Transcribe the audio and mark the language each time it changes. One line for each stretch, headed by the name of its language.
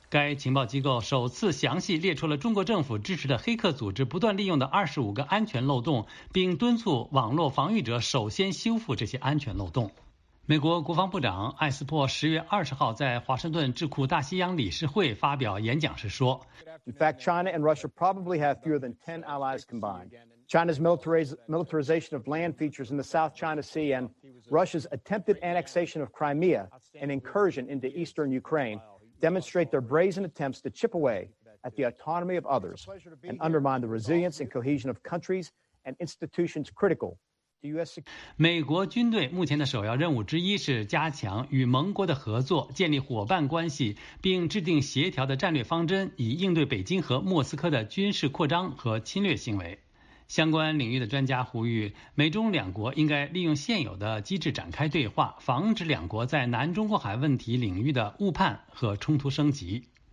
Chinese: 该情报机构首次详细列出了中国政府支持的黑客组织不断利用的25个安全漏洞，并敦促网络防御者首先修复这些安全漏洞。美国国防部长艾斯珀10月20号在华盛顿智库大西洋理事会发表演讲时说
English: ：“In fact, China and Russia probably have fewer than 10 allies combined. China's militarization of land features in the South China Sea and Russia's attempted annexation of Crimea and incursion into eastern Ukraine demonstrate their brazen attempts to chip away at the autonomy of others and undermine the resilience and cohesion of countries and institutions critical.”
Chinese: 美国军队目前的首要任务之一是加强与盟国的合作，建立伙伴关系，并制定协调的战略方针，以应对北京和莫斯科的军事扩张和侵略行为。相关领域的专家呼吁，美中两国应该利用现有的机制展开对话，防止两国在南中国海问题领域的误判和冲突升级。